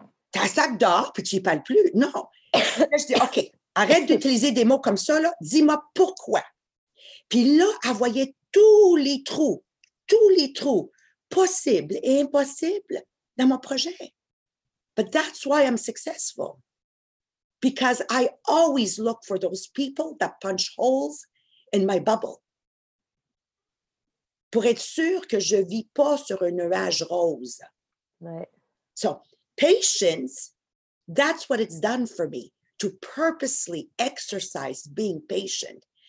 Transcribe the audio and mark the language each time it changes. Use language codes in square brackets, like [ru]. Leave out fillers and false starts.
[fr] T'as sac d'or, puis tu n'y parles plus. Non. Là, je dis, OK, arrête d'utiliser des mots comme ça, là. Dis-moi pourquoi. Puis là, elle voyait tous les trous possibles et impossibles dans mon projet. [en] But that's why I'm successful. Because I always look for those people that punch holes in my bubble. [fr] Pour être sûr que je ne vis pas sur un nuage rose. [en] Right. So, patience, that's what it's done for me, to purposely exercise being patient.